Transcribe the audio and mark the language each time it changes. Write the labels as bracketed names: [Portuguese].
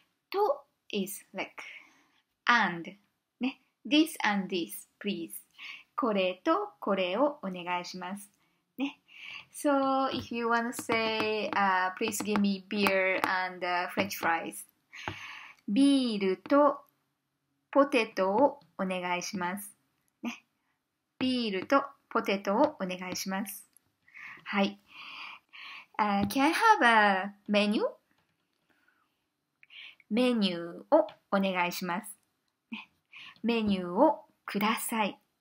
[Japanese] と [English] is like, and,、ね、this and this, please. [Japanese] これとこれをお願いします。 [English] So, if you want to say,、please give me beer and、French fries. [Japanese] ビールとポテトをお願いします、ね。ビールとポテトをお願いします。はい。 [English] Can I have a menu? [Japanese] メニューをお願いします。ね、メニューをください。